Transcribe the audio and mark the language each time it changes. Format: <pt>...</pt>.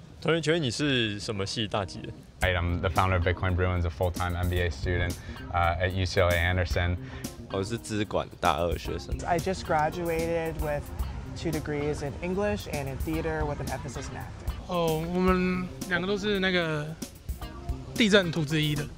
<zh>同学，请问你是什么系大几的？</zh> <en>I'm the founder of Bitcoin Bruins, a full-time MBA student at UCLA Anderson.</en> <zh>我是资管大二学生。</zh> <en>I just graduated with 2 degrees in English and in theater with an emphasis in acting.</en> <zh>我们两个都是那个地震土质一的。</zh>